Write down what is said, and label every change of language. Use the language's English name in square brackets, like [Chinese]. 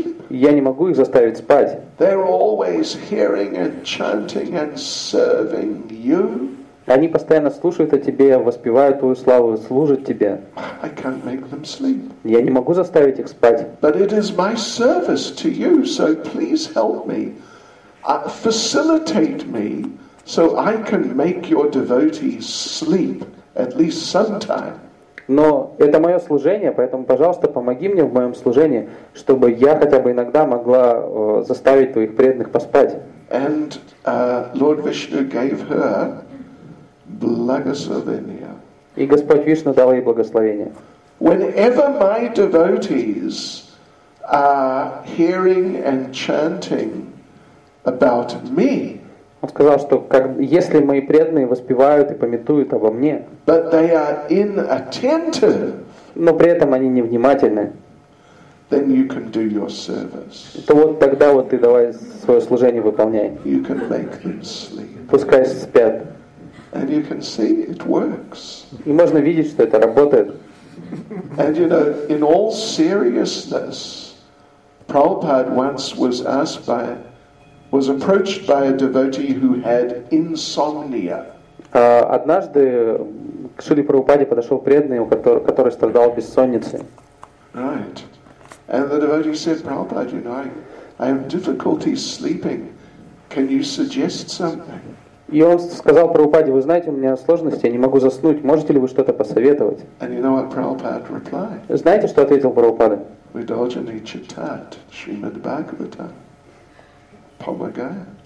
[Russian] Я не могу их заставить спать. Они постоянно слушают о тебе, воспевают твою славу, служат тебе. [English] I can't make them sleep. [Russian] Я не могу заставить их спать. [English] But it is my service to you, so please help me, facilitate me, so I can make your devotees sleep at least sometime. [Russian] Но это мое служение, поэтому, пожалуйста, помоги мне в моем служении, чтобы я хотя бы иногда могла заставить твоих преданных поспать. [English] And Lord Vishnu gave her благословение. [Russian] И Господь Вишну дал ей благословение. [English] Whenever my devotees are hearing and chanting about me, [Russian] он сказал, что как, если мои преданные воспевают и памятуют обо мне, [English] but they are inattentive, [Russian] но при этом они невнимательны, [English] then you can do your service. [Russian] То вот тогда вот ты давай свое служение выполняй. [English] You can make them sleep. [Russian] Пускай спят. [English] And you can see it works. [Russian] И можно видеть, что это работает. [English] And you know, in all seriousness, Prabhupada once was approached by a devotee who had insomnia. [Russian] Однажды к Шриле Прабхупаде подошел преданный, который страдал бессонницей. [English] Right. And the devotee said, Prabhupada, you know, I have difficulty sleeping. Can you suggest something? [Russian] И он сказал Прабхупаде, вы знаете, у меня сложности, я не могу заснуть, можете ли вы что-то посоветовать? [English] You know what, [Russian] знаете, что ответил Прабхупада? Удолжение читат, Шримад Бхагавата, помогает.